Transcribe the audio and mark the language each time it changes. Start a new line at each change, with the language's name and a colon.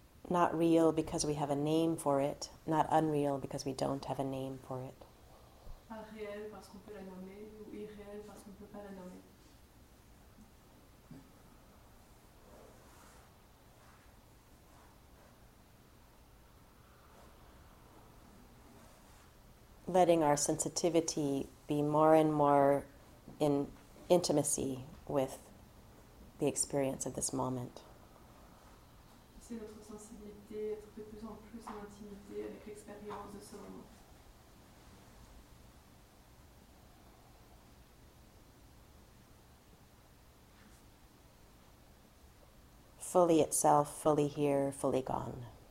English: Not real because we have a name for it, not unreal because we don't have a name for it.
French: Pas réel parce qu'on peut la nommer, ou irréel parce qu'on peut pas la nommer.
English: Letting our sensitivity be more and more in intimacy with the experience of this moment.
French: C'est notre sensibilité, être de plus en plus en intimité avec l'expérience de ce moment.
English: Fully itself, fully here, fully gone.